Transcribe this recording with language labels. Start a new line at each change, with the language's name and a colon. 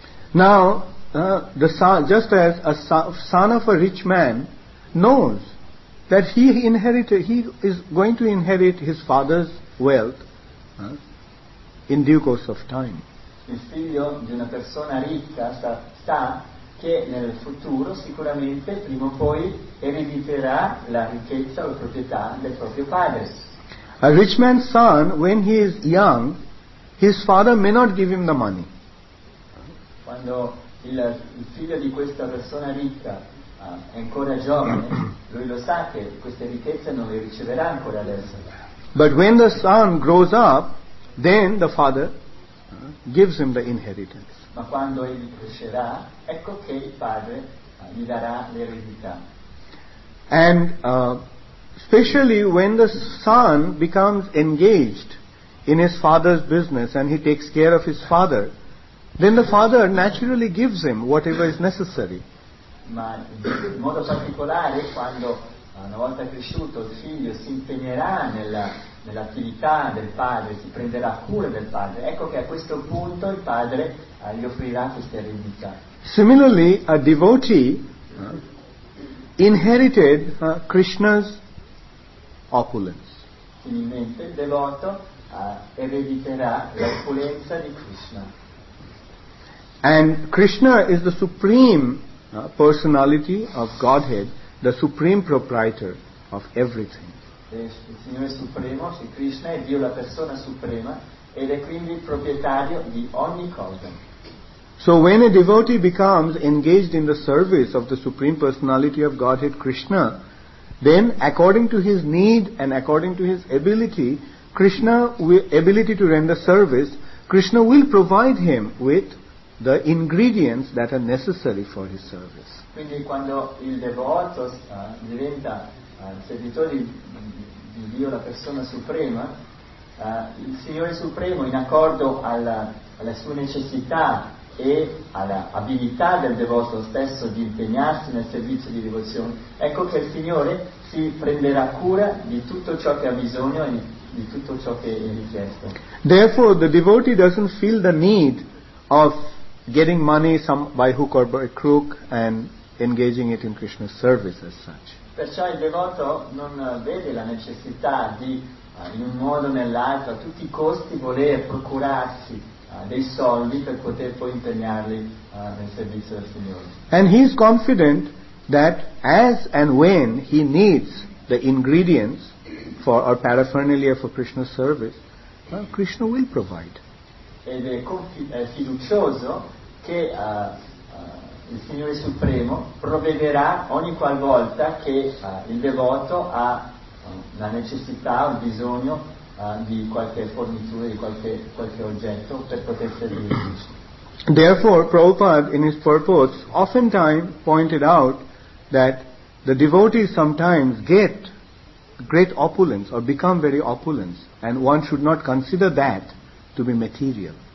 English: Now, the son, just as a son of a rich man knows that he inherited, he is going to inherit his father's wealth in due course of time.
Italian: Il figlio di una persona ricca sa che nel futuro sicuramente prima o poi erediterà la ricchezza o la proprietà del proprio padre.
English: A rich man's son, when he is young, his father may not give him the money.
Italian: Quando il figlio di questa persona ricca è ancora giovane, lui lo sa che queste ricchezze non le riceverà ancora adesso.
English: But when the son grows up, then the father gives him the inheritance.
Italian: Ma quando egli crescerà, ecco che il padre gli darà l'eredità.
English: And especially when the son becomes engaged in his father's business and he takes care of his father, then the father naturally gives him whatever is necessary.
Italian: Ma in modo particolare quando una volta cresciuto il figlio si impegnerà nell'attività del padre, si prenderà cura del padre, ecco che a questo punto il padre gli offrirà questa eredità.
English: Similarly, a devotee inherited Krishna's opulence.
Italian: Similmente, il devoto erediterà l'opulenza di Krishna.
English: And Krishna is the supreme personality of Godhead, the supreme proprietor of everything.
Italian: Il Signore Supremo, si Krishna, è Dio la persona suprema ed è quindi il proprietario di ogni cosa.
English: So when a devotee becomes engaged in the service of the supreme personality of Godhead Krishna, then according to his need and according to his ability, ability to render service, Krishna will provide him with the ingredients that are necessary for his service.
Italian: Quindi quando il devoto diventa servitore di Dio la persona suprema, il Signore Supremo, in accordo alla sua necessità e all'abilità del devoto stesso di impegnarsi nel servizio di devozione, ecco che il Signore si prenderà cura di tutto ciò che ha bisogno e di tutto ciò che è richiesto.
English: Therefore the devotee doesn't feel the need of getting money some by hook or by crook and engaging it in Krishna's service as such.
Italian: Perciò il devoto non vede la necessità di in un modo o nell'altro a tutti i costi voler procurarsi dei soldi per poter poi impegnarli nel servizio del Signore.
English: And he is confident that as and when he needs the ingredients for or paraphernalia for Krishna's service, Krishna will provide.
Italian: Ed è fiducioso che il Signore Supremo provvederà ogni qualvolta che il devoto ha la necessità o bisogno di qualche fornitura, di qualche oggetto per poter servire.
English: Therefore, Prabhupada, in his purports, oftentimes pointed out that the devotees sometimes get great opulence or become very opulent, and one should not consider that to be material.